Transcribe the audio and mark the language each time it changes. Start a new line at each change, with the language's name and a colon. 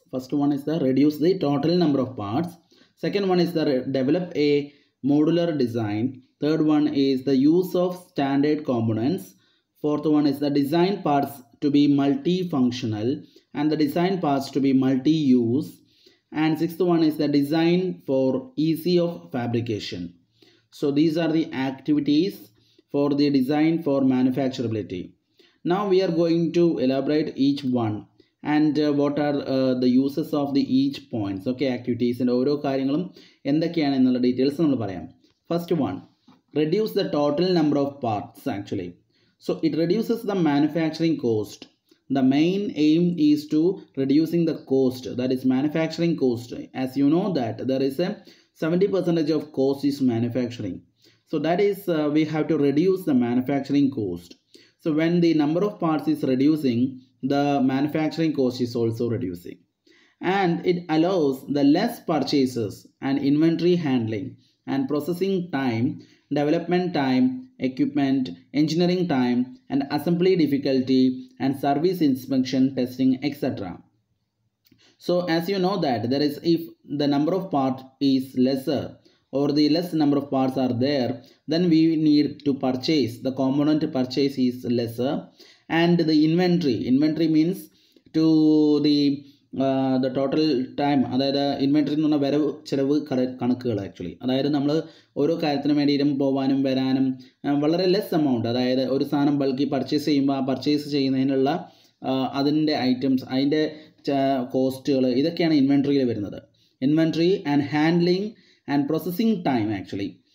English: First one is the reduce the total number of parts. Second one is the develop a modular design. Third one is the use of standard components. Fourth one is the design parts to be multi functional and the design parts to be multi use. And sixth one is the design for easy of fabrication. So these are the activities for the design for manufacturability. Now we are going to elaborate each one and what are the uses of the each points.
Malayalam: Okay, activities and ഓരോ കാര്യങ്ങളും എന്തൊക്കെയാണ് എന്നുള്ള details നമ്മൾ പറയാം.
English: First one, reduce the total number of parts actually. So it reduces the manufacturing cost. The main aim is to reducing the cost, that is manufacturing cost. As you know that there is a 70% of cost is manufacturing. So that is we have to reduce the manufacturing cost. So when the number of parts is reducing, the manufacturing cost is also reducing. And it allows the less purchases and inventory handling and processing time, development time, equipment, engineering time and assembly difficulty and service inspection, testing, etc. So as you know that there is, if the number of parts is lesser or the less number of parts are there, then we need to purchase, the component purchase is lesser, and the inventory means to the total time,
Malayalam: അതായത് inventory എന്ന് പറഞ്ഞാൽ വരവ് ചിലവ് കണക്കുകൾ actually. അതായത് നമ്മൾ ഓരോ കാര്യത്തിനും വേണ്ടിയിട്ടും പോകാനും വരാനും വളരെ ലെസ് എമൗണ്ട്, അതായത് ഒരു സാധനം ബൾക്കി പർച്ചേസ് ചെയ്യുമ്പോൾ ആ പർച്ചേസ് ചെയ്യുന്നതിനുള്ള അതിൻ്റെ ഐറ്റംസ്, അതിൻ്റെ കോസ്റ്റുകൾ, ഇതൊക്കെയാണ് ഇൻവെൻട്രിയിൽ വരുന്നത്.
English: Inventory and handling and processing time actually.